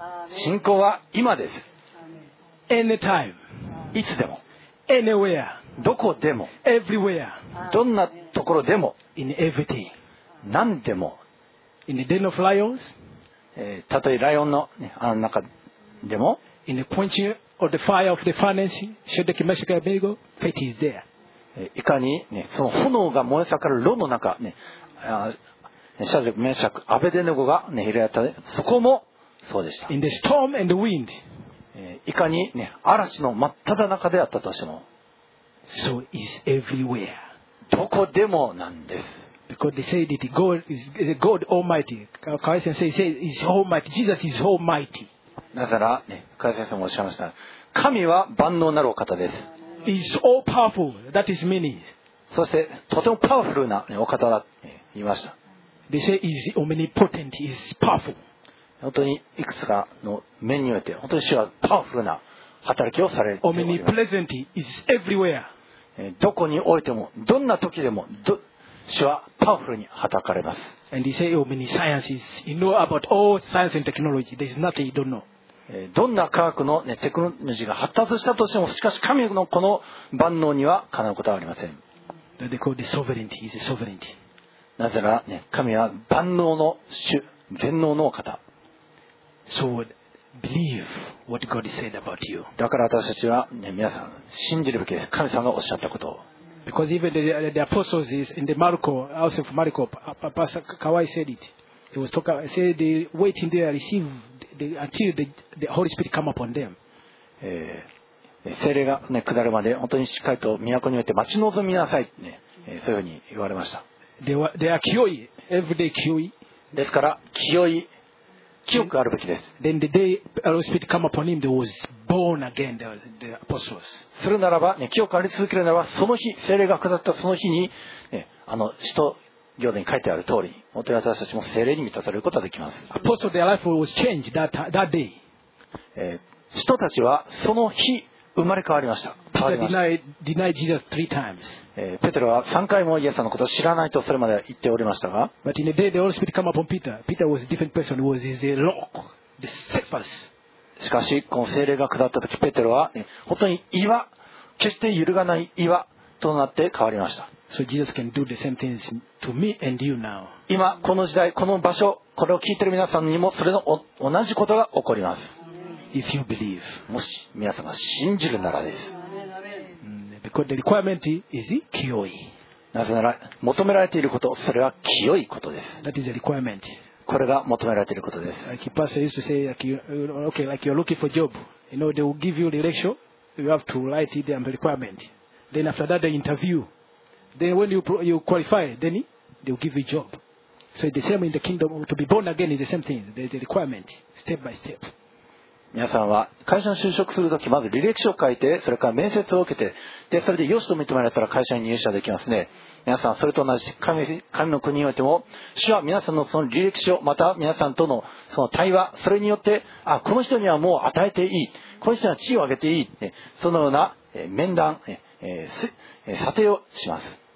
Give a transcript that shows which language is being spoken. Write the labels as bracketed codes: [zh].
[ja] 信仰は今です。 [en] Anytime. [ja] いつでも。 [en] Anywhere. [ja] どこでも。 [en] Everywhere. [ja] どんなところでも。 [en] In everything. [ja] 何でも。 [en] In the den of lions. [ja] たとえライオンの中でも。 [en] In the quenching of the fire of the furnace, Shadrach, Meshach, and Abednego, faith is there. [ja] いかに、ね、その炎が燃え盛る炉の中、ね、シャドレク、メシャク、アベデネゴが、ね、いられた、ね、そこもそうでした。 [en] In the storm and the wind. [ja] いかに、ね、嵐の真っ只中であったとしても、 [en] so is everywhere. [ja] どこでもなんです。 [en] Because they say that God is God Almighty. 加谷先生 says is Almighty. Jesus is Almighty. [ja] なぜなら、ね、加谷先生もおっしゃいました。神は万能なるお方です。 [en] Is all powerful. That is meaning. [ja] そしてとてもパワフルな、ね、お方だと、ね、言いました。 [en] They say is omnipotent, is powerful. [ja] 本当にいくつかの面において本当に主はパワフルな働きをされています。 [en] Omnipresent is everywhere. [ja] どこにおいてもどんな時でも主はパワフルに働かれます。 [en] And they say omniscience is you know about all science and technology. There is nothing you don't know. [ja] どんな科学の、ね、テクノロジーが発達したとしても、しかし神のこの万能にはかなうことはありません。 [en] Sovereignty is sovereignty. [ja] なぜなら、ね、神は万能の主、全能の方。 [en] So, believe what God said about you. [ja] だから私たちは、ね、皆さん信じるべきです。神様がおっしゃったことを。 [en] Because even the apostles is in the Marco, also from Marco, Pastor Kawai said it. He was talking, said they waiting there, receive. Until the Holy Spirit come upon them. [ja] 聖霊が、ね、下るまで本当にしっかりと都において待ち望みなさい、ね、そういうふうに言われました。 [en] They are 清い Everyday 清い。 [ja] ですから清い、清くあるべきです。 [en] Then the day the Holy Spirit come upon him, they was born again, the apostles. [ja] するならば、ね、清くあり続けるならば、その日聖霊が下ったその日に、ね、あの使徒行伝に書いてある通り、本当に私たちも聖霊に満たされることができます。 [en] Apostle, their life was changed that day. [ja] 人たちはその日生まれ変わりました。 [en] Denied Jesus three times. [ja] ペテロは3回もイエスのことを知らないとそれまで言っておりましたが、 [en] But in the day the Holy Spirit came upon Peter. Peter was a different person. Was his rock, the Cephas. [ja] しかしこの聖霊が下ったときペテロは、ね、本当に岩、決して揺るがない岩となって変わりました。 [en] So Jesus can do the same things to me and you now. [ja] 今この時代この場所、これを聞いている皆さんにもそれの同じことが起こります。 [en] If you believe. [ja] もし皆さんが信じるならです。 [en] Because the requirement is 清い。 [ja] なぜなら求められていること、それは清いことです。 [en] That is the requirement. [ja] これが求められていることです。 [en] Like pastor used to say, like you're looking for job. You know, they will give you the election. You have to write it down the requirement. Then after that, the interview. Then when you qualify, then they will give you a job. So the same in the kingdom, to be born again is the same thing. There's a requirement, step by step. [ja] 皆さんは会社に就職するとき、まず履歴書を書いて、それから面接を受けて、でそれでよしと認められたら会社に入社できますね。皆さんそれと同じ、神の国においても、主は皆さんのその履歴書、また皆さんとのその対話、それによって、あ、この人にはもう与えていい、この人には地位を上げていい、そのような面談、査定をします。